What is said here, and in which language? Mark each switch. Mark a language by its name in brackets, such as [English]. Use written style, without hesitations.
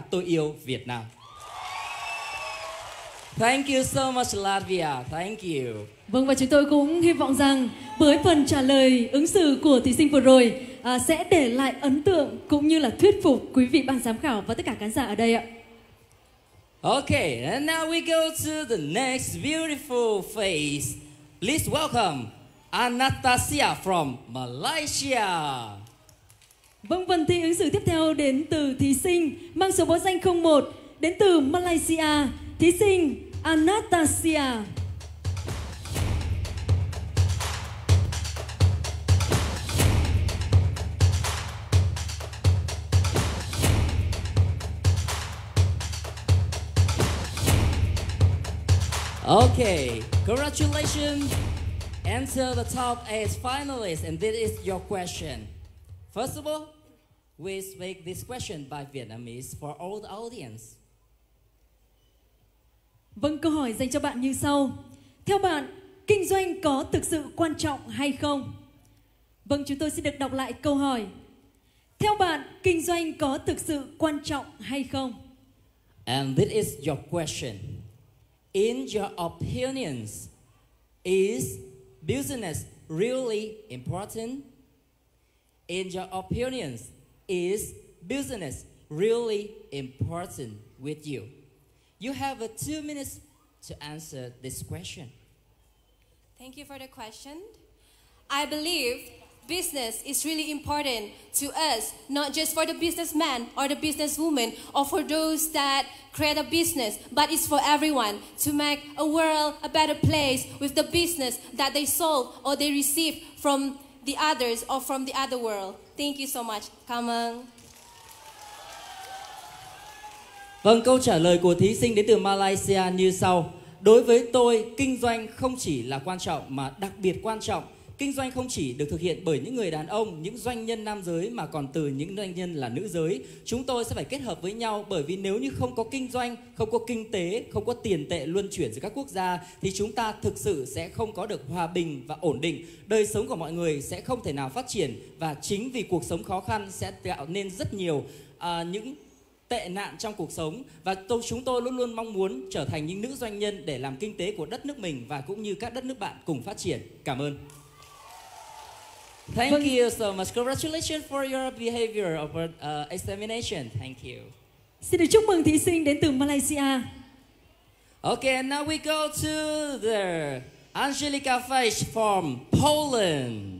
[Vietnamese] Tôi yêu Việt Nam. [English] Thank you so much, Latvia. Thank you. [Vietnamese] Vâng, và chúng tôi cũng hy vọng rằng với phần trả lời ứng xử của thí sinh vừa rồi sẽ để lại ấn tượng cũng như là thuyết phục quý vị ban giám khảo và tất cả khán giả ở đây ạ. [English] Okay, and now we go to the next beautiful face. Please welcome Anastasia from Malaysia. [Vietnamese] Vâng, phần thi ứng xử tiếp theo đến từ thí sinh mang số báo danh 01 đến từ Malaysia. Thí sinh Anastasia. [English] Okay, congratulations. Enter the top 8 finalists, and this is your question. First of all, we speak this question by Vietnamese for all the audience. [Vietnamese] Vâng, câu hỏi dành cho bạn như sau. Theo bạn, kinh doanh có thực sự quan trọng hay không? Vâng, chúng tôi xin được đọc lại câu hỏi. Theo bạn, kinh doanh có thực sự quan trọng hay không? [English] And this is your question. In your opinions, is business really important? In your opinions, is business really important with you? You have 2 minutes to answer this question. Thank you for the question. I believe business is really important to us, not just for the businessman or the businesswoman or for those that create a business, but it's for everyone to make a world a better place with the business that they sold or they receive from the others or from the other world. Thank you so much. [Vietnamese] Cảm ơn. Vâng, câu trả lời của thí sinh đến từ Malaysia như sau. Đối với tôi, kinh doanh không chỉ là quan trọng mà đặc biệt quan trọng. Kinh doanh không chỉ được thực hiện bởi những người đàn ông, những doanh nhân nam giới mà còn từ những doanh nhân là nữ giới. Chúng tôi sẽ phải kết hợp với nhau, bởi vì nếu như không có kinh doanh, không có kinh tế, không có tiền tệ luân chuyển giữa các quốc gia, thì chúng ta thực sự sẽ không có được hòa bình và ổn định. Đời sống của mọi người sẽ không thể nào phát triển, và chính vì cuộc sống khó khăn sẽ tạo nên rất nhiều những tệ nạn trong cuộc sống. Và chúng tôi luôn luôn mong muốn trở thành những nữ doanh nhân để làm kinh tế của đất nước mình và cũng như các đất nước bạn cùng phát triển. Cảm ơn. [English] Thank you so much. Congratulations for your behavior of examination. Thank you. [Vietnamese] Xin được chúc mừng thí sinh đến từ Malaysia. [English] Okay, and now we go to the Angelica Feist from Poland.